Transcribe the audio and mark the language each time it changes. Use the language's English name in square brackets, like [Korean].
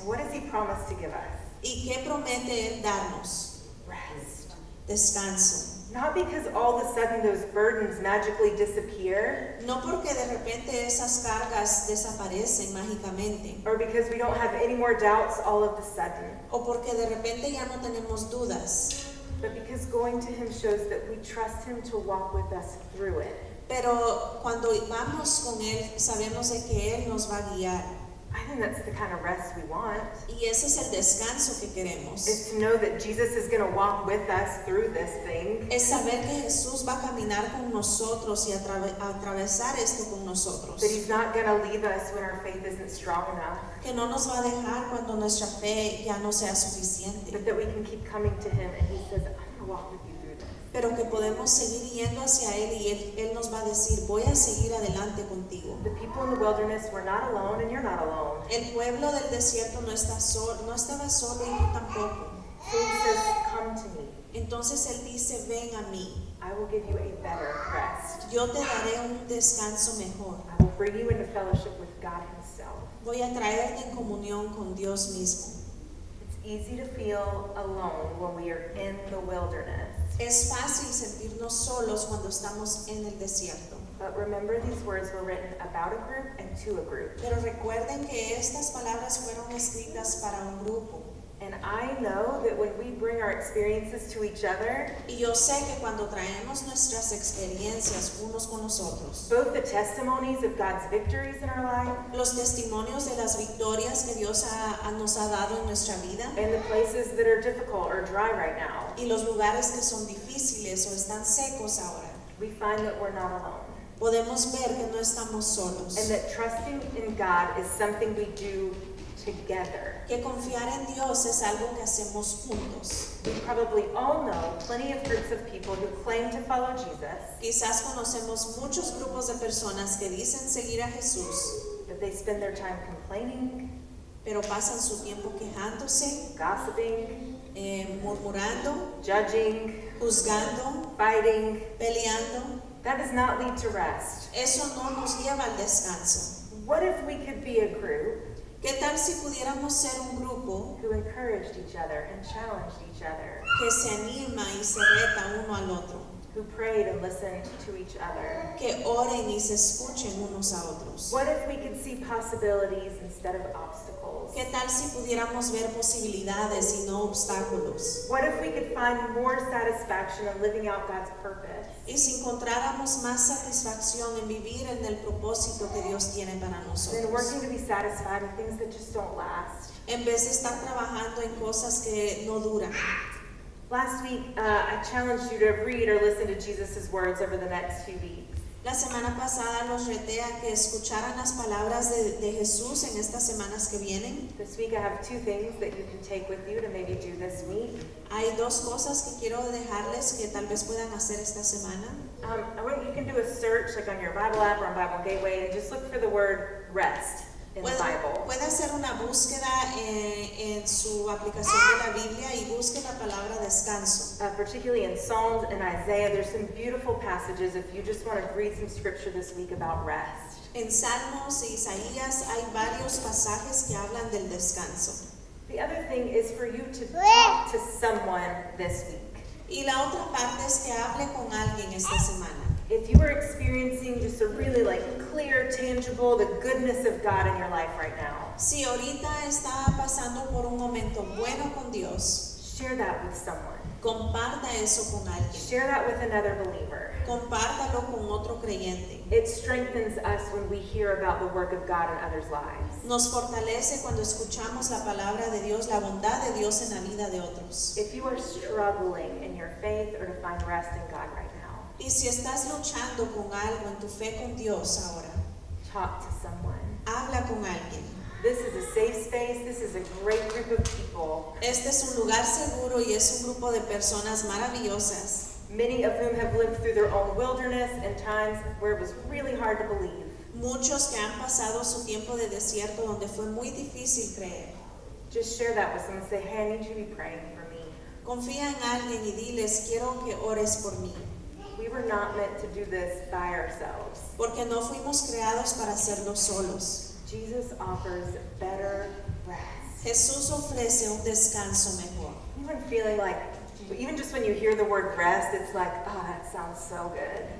[English] And what does he promise to give us? [Spanish] ¿Y qué promete él darnos? [English] Rest. [Spanish] Descanso. [English] Not because all of a sudden those burdens magically disappear. [Spanish] No porque de repente esas cargas desaparecen mágicamente. [English] Or because we don't have any more doubts all of a sudden. [Spanish] O porque de repente ya no tenemos dudas. [English] But because going to Him shows that we trust Him to walk with us through it. [Spanish] Pero cuando vamos con Él, sabemos de que Él nos va a guiar. [English] I think that's the kind of rest we want. [Spanish] Y ese es el descanso que queremos. [English] It's to know that Jesus is going to walk with us through this thing. [Spanish] Es saber que Jesús va a caminar con nosotros y atravesar esto con nosotros. [English] That He's not going to leave us when our faith isn't strong enough. [Spanish] Que no nos va a dejar cuando nuestra fe ya no sea suficiente. [English] But that we can keep coming to Him and He says, I'm going to walk with you through this. [Spanish] Pero que podemos seguir yendo hacia Él y Él nos va a decir, voy a seguir adelante contigo. [English] The people in the wilderness were not alone and you're not alone. [Spanish] El pueblo del desierto no estaba solo y tú tampoco. [English] So he says, come to me. [Spanish] Entonces Él dice, ven a mí. [English] I will give you a better rest. [Spanish] Yo te daré un descanso mejor. [English] I will bring you into fellowship with God Himself. [Spanish] Voy a traerte en comunión con Dios mismo. [English] It's easy to feel alone when we are in the wilderness. [Spanish] Es fácil sentirnos solos cuando estamos en el desierto. [English] But remember, these words were written about a group and to a group. [Spanish] Pero recuerden que estas palabras fueron escritas para un grupo. [English] And I know that when we bring our experiences to each other, [Spanish] y yo sé que cuando traemos nuestras experiencias unos con los otros, [English] both the testimonies of God's victories in our life, [Spanish] los testimonios de las victorias que Dios nos ha dado en nuestra vida, [English] and the places that are difficult or dry right now, [Spanish] y los lugares que son difíciles o están secos ahora, [English] we find that we're not alone. [Spanish] Podemos ver que no estamos solos. [English] And that trusting in God is something we do together. [Spanish] Que confiar en Dios es algo que hacemos juntos. [English] We probably all know plenty of groups of people who claim to follow Jesus. [Spanish] Quizás conocemos muchos grupos de personas que dicen seguir a Jesús. [English] But they spend their time complaining. [Spanish] Pero pasan su tiempo quejándose. [English] Gossiping. [Spanish] Murmurando. [English] Judging. [Spanish] Juzgando. [English] Fighting. [Spanish] Peleando. [English] That does not lead to rest. [Spanish] Eso no nos lleva al descanso. [English] What if we could be a group? [Spanish] ¿Qué tal si pudiéramos ser un grupo [English] who encouraged each other and challenged each other? [Spanish] Que se anima y se reta uno al otro. [English] Who prayed and listened to each other? [Spanish] Que oren y se escuchen unos a otros. [English] What if we could see possibilities instead of obstacles? [Spanish] ¿Qué tal si pudiéramos ver posibilidades y no obstáculos? [English] What if we could find more satisfaction in living out God's purpose? [Spanish] Y si encontráramos más satisfacción en vivir en el propósito que Dios tiene para nosotros. [English] Than working to be satisfied with things that just don't last. [Spanish] En vez de estar trabajando en cosas que no duran. [English] Last week, I challenged you to read or listen to Jesus' words over the next few weeks. [Spanish] La semana pasada los reté a que escucharan las palabras de Jesús en estas semanas que vienen. [English] This week I have two things that you can take with you to maybe do this week. [Spanish] Hay dos cosas que quiero dejarles que tal vez puedan hacer esta semana. [English] You can do a search like on your Bible app or on Bible Gateway and just look for the word rest. [Spanish] Puede hacer una búsqueda en su aplicación de la Biblia y busque la palabra descanso. [English] Particularly in Psalms and Isaiah, there's some beautiful passages if you just want to read some scripture this week about rest. [Spanish] En Salmos y Isaías hay varios pasajes que hablan del descanso. [English] The other thing is for you to talk to someone this week. [Spanish] Y la otra parte es que hable con alguien esta semana. [English] If you are experiencing just a really like clear, tangible, the goodness of God in your life right now. [Spanish] Si ahorita está pasando por un momento bueno con Dios. [English] Share that with someone. [Spanish] Comparta eso con alguien. [English] Share that with another believer. [Spanish] Compártalo con otro creyente. [English] It strengthens us when we hear about the work of God in others' lives. [Spanish] Nos fortalece cuando escuchamos la palabra de Dios, la bondad de Dios en la vida de otros. [English] If you are struggling in your faith or to find rest in God right now. [Spanish] Y si estás luchando con algo en tu fe con Dios ahora, [English] talk to someone. [Spanish] Habla con alguien. [English] This is a safe space. This is a great group of people. [Spanish] Este es un lugar seguro y es un grupo de personas maravillosas. [English] Many of whom have lived through their own wilderness and times where it was really hard to believe. [Spanish] Muchos que han pasado su tiempo de desierto donde fue muy difícil creer. [English] Just share that with someone. Say, hey, I need you to be praying for me. [Spanish] Confía en alguien y diles, quiero que ores por mí. [English] We were not meant to do this by ourselves. [Spanish] Porque no fuimos creados para hacerlo solos. [English] Jesus offers better rest. [Spanish] Jesús ofrece un descanso mejor. [English] Even feeling like, even just when you hear the word rest, it's like, ah, oh, that sounds so good.